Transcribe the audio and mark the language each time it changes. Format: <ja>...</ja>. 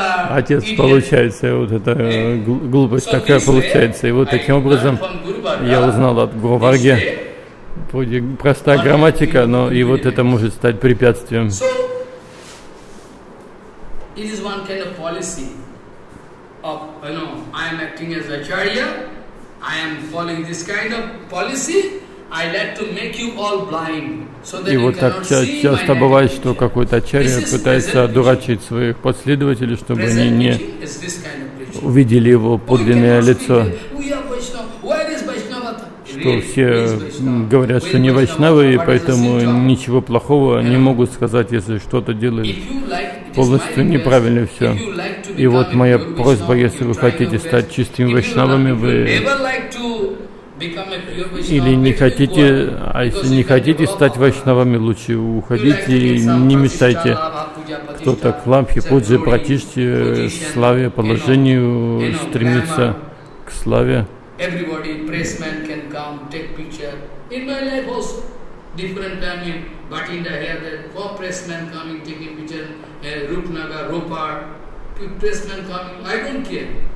<ru>Отец получается, вот эта глупость такая получается. И вот таким образом я узнал от Гурварги, вроде простая грамматика, но и вот это может стать препятствием.</ru> <en>It is one kind of policy of, you know, I am acting as acharya, I am following this kind of policy, I like to make you all blind, so that you cannot see my</en> <ru>acharya. И вот так часто бывает, что какой-то ачарья пытается одурачить своих последователей, чтобы они не увидели его подлинное лицо. Что все говорят, что не вайшнавы, и поэтому ничего плохого не могут сказать, если что-то делают полностью неправильно все. И вот моя просьба, если вы хотите стать чистыми вайшнавами, вы или не хотите, а если не хотите стать вайшнавами, лучше уходите и не мешайте. Кто-то к лампхи, пуджи, пратиште, славе, положению стремится к славе.</ru> <en>Everybody, pressman can come, take picture. In my life also, different family, but in the here, the four pressmen coming, taking picture, Rupnagar, Rupar, pressmen coming, I don't care.</en>